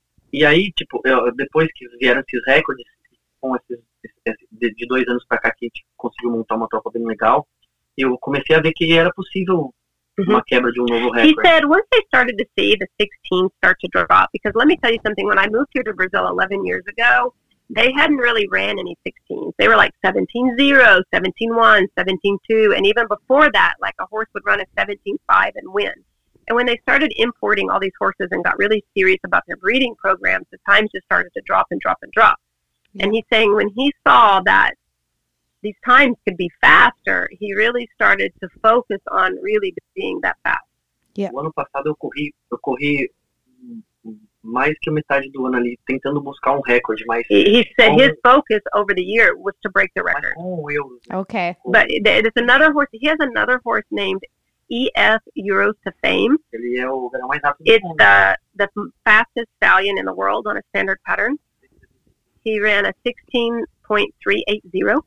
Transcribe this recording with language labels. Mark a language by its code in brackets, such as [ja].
[pt] E aí, tipo, depois que vieram esses recordes, com esses de 2 anos pra cá que a gente conseguiu montar uma tropa bem legal, eu comecei a ver que era possível uma quebra de um novo recorde. [en] He said, once I started to see the 16 start to drop, because let me tell you something, when I moved here to Brazil 11 years ago, they hadn't really ran any 16s. They were like 17.0, 17.1, 17.2, and even before that, like a horse would run a 17.5 and win. And when they started importing all these horses and got really serious about their breeding programs, the times just started to drop and drop and drop. Mm-hmm. And he's saying when he saw that these times could be faster, he really started to focus on really being that fast. Yeah. [pt] O ano passado eu corri mais que metade do ano ali tentando buscar um recorde, mas [en] he said his focus over the year was to break the record. Okay. But there's another horse. He has another horse named EF Euros to Fame. [pt] Ele é o mais rápido. [en] It's the fastest stallion in the world on a standard pattern. He ran a 16.380.